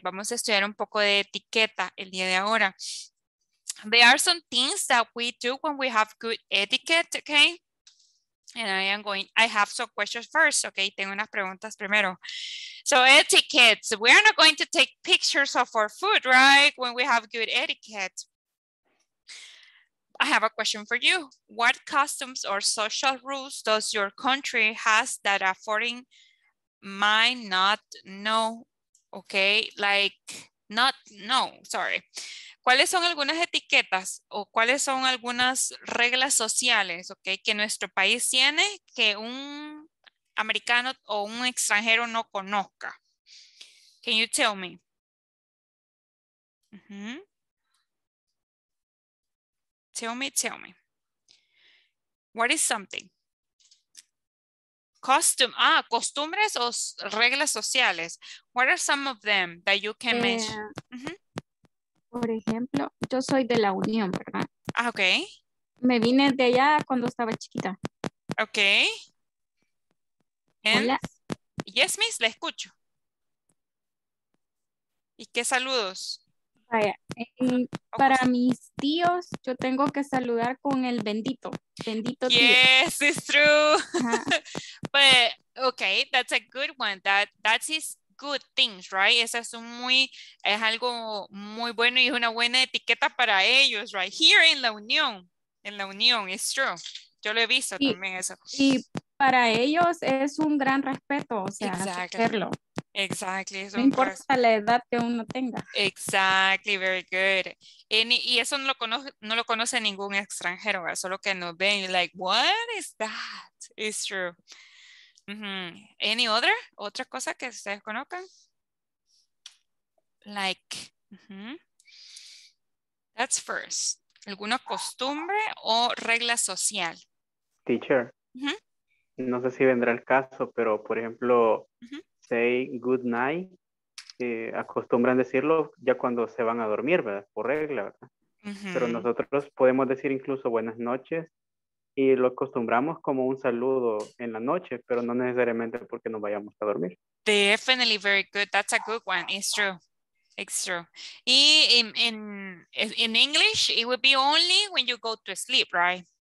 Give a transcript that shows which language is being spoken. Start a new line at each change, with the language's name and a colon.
Spanish: Vamos a estudiar un poco de etiqueta el día de ahora.
English: There are some things that we do when we have good etiquette, okay? And I am going, I have some questions first, okay?
Spanish: Tengo unas preguntas primero.
English: So etiquettes, we are not going to take pictures of our food, right? When we have good etiquette. I have a question for you. What customs or social rules does your country has that a foreign might not know? Okay, like not know, sorry.
Spanish: ¿Cuáles son algunas etiquetas o cuáles son algunas reglas sociales, okay, que nuestro país tiene que un americano o un extranjero no conozca?
English: Can you tell me? Mm-hmm. Tell me. What is something?
Spanish: Costumbres o reglas sociales.
English: What are some of them that you can mention? Mm-hmm.
Spanish: Por ejemplo, yo soy de la Unión, ¿verdad?
English: Ah, okay.
Spanish: Me vine de allá cuando estaba chiquita.
English: Okay.
Spanish: Hola.
English: Yes, miss,
Spanish: la escucho. ¿Y qué saludos? Vaya, para mis tíos, yo tengo que saludar con el bendito. Bendito tío.
English: Yes, it's true. But, okay, that's a good one. That is good things, right?
Spanish: Esa es algo muy bueno y es una buena etiqueta para ellos,
English: right? Here in La Unión.
Spanish: En La Unión,
English: it's true.
Spanish: Yo lo he visto y, también eso. Y para ellos es un gran respeto, o sea, exactly. Hacerlo.
English: Exactly.
Spanish: No importa la edad que uno tenga.
English: Exactly, very good.
Spanish: Y eso no lo conoce ningún extranjero, ¿verdad? Solo que nos ven,
English: like, what is that? It's true. Mm-hmm. Any other?
Spanish: ¿Otra cosa que ustedes conozcan?
English: Like, mm-hmm. That's first.
Spanish: ¿Alguna costumbre o regla social?
English: Teacher, mm-hmm.
Spanish: No sé si vendrá el caso, pero por ejemplo, mm-hmm.
English: Say good night,
Spanish: acostumbran decirlo ya cuando se van a dormir, ¿verdad? Por regla, ¿verdad? Mm-hmm. Pero nosotros podemos decir incluso buenas noches. Y lo acostumbramos como un saludo en la noche, pero no necesariamente porque nos vayamos a dormir.
English: Definitely very good. That's a good one. It's true. It's true.
Spanish: Y
English: in English, it would be only when you go to sleep, right?